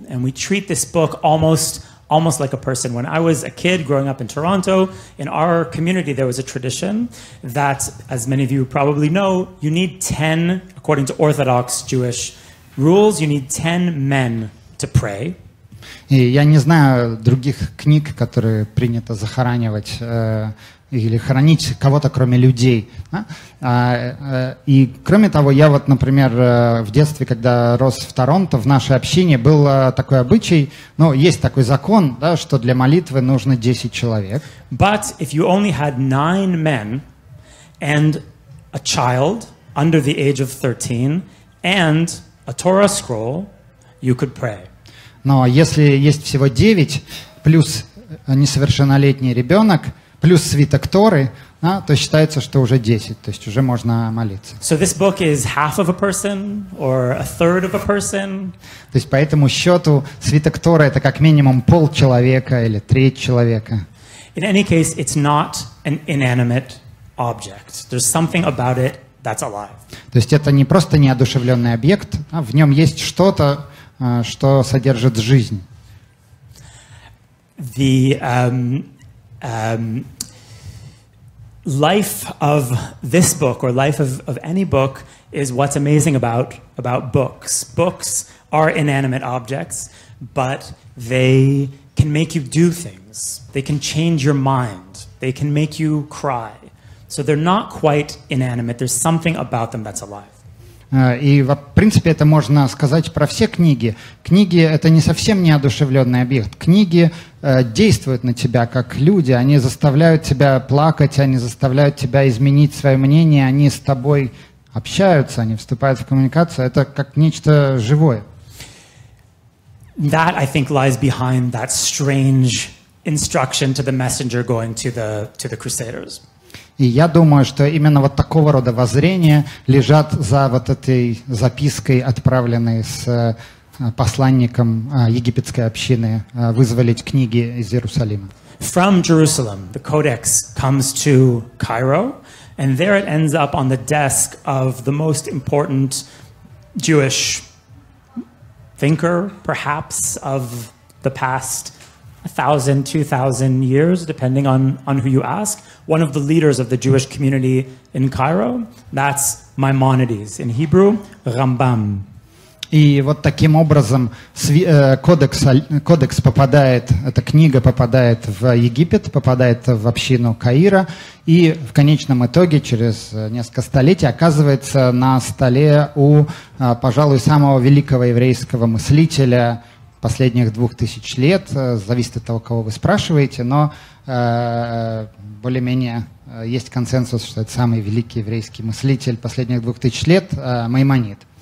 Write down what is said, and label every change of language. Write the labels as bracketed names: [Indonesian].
[English] And we treat this book almost like a person. When I was a kid growing up in Toronto, in our community, there was a tradition that, as many of you probably know, you need 10, according to Orthodox Jewish rules, you need 10 men to pray. [Russian] И я не знаю других книг, которые принято захоранивать или хоронить кого-то, кроме людей. Да? И кроме того, я вот, например, в детстве, когда рос в Торонто, в нашей общине был такой обычай, ну, есть такой закон, да, что для молитвы нужно 10 человек. [English] But if you only had 9 men and a child under the age of 13 and a Torah scroll, you could pray. [Russian] Но если есть всего 9, плюс несовершеннолетний ребенок, плюс свиток Торы, да, то считается, что уже 10, то есть уже можно молиться. [English] So this book is half of a person or a third of a person. [Russian] То есть по этому счету свиток Торы это как минимум полчеловека или треть человека. [English] In any case, it's not an inanimate object. There's something about it that's alive. [Russian] То есть это не просто неодушевленный объект, а в нем есть что-то, что содержит жизнь. [English] The life of this book or life of any book is what's amazing about books. Books are inanimate objects, but they can make you do things. They can change your mind. They can make you cry. So they're not quite inanimate. There's something about them that's alive. [Russian] И, в принципе, это можно сказать про все книги. Книги — это не совсем неодушевленный объект. Книги действуют на тебя, как люди. Они заставляют тебя плакать, они заставляют тебя изменить свое мнение. Они с тобой общаются, они вступают в коммуникацию. Это как нечто живое. [English] That, I think, lies behind that strange instruction to the messenger going to the crusaders. [Russian] И я думаю, что именно вот такого рода воззрения лежат за вот этой запиской, отправленной с посланником египетской общины, вызволить книги из Иерусалима. [English] From Jerusalem, the Codex comes to Cairo, and there it ends up on the desk of the most important Jewish thinker, perhaps, of the past 1,000, 2,000 years, depending on who you ask, one of the leaders of the Jewish community in Cairo, that's Maimonides, in Hebrew, Рамбам. [Russian] И вот таким образом кодекс попадает, эта книга попадает в Египет, попадает в общину Каира, и в конечном итоге, через несколько столетий, оказывается на столе у, пожалуй, самого великого еврейского мыслителя последних 2000 лет, зависит от того, кого вы спрашиваете, но более-менее есть консенсус, что это самый великий еврейский мыслитель последних 2000 лет, Маймонид.